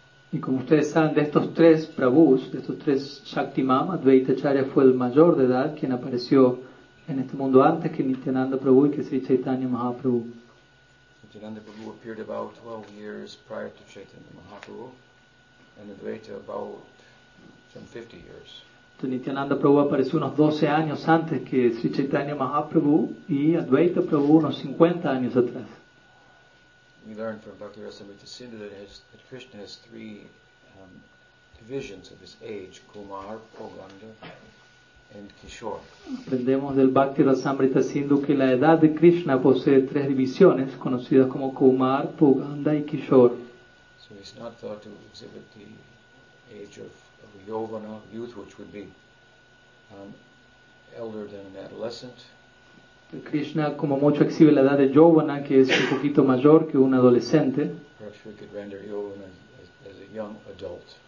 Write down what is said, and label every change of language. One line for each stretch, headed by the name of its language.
Spanish: Y como ustedes saben, de estos tres Prabhus, de estos tres Shaktimam, Advaita Charya fue el mayor de edad, quien apareció en este mundo antes que Nityananda Prabhu y que Sri Chaitanya Mahaprabhu.
English: Nityananda Prabhu appeared about 12 years prior to Chaitanya Mahaprabhu, and Advaita about some 50 years.
Spanish: Entonces, Nityananda Prabhu apareció unos 12 años antes que Sri Chaitanya Mahaprabhu y Advaita Prabhu unos 50 años atrás.
English: We learn from Bhakti Rasamrita Sindhu that Krishna has three divisions of his age, Kumar, Poganda, and Kishore.
Spanish: Aprendemos del Bhakti Rasamrita Sindhu que la edad de Krishna posee tres divisiones, conocidas como Kumar, Poganda, y Kishore.
English: So he's not thought to exhibit the age of a Yovana, youth, which would be elder than an adolescent.
Spanish: Krishna, como mucho, exhibe la edad de Yovana, que es un poquito mayor que un adolescente.
English: Perhaps we could render Yovana as a young adult.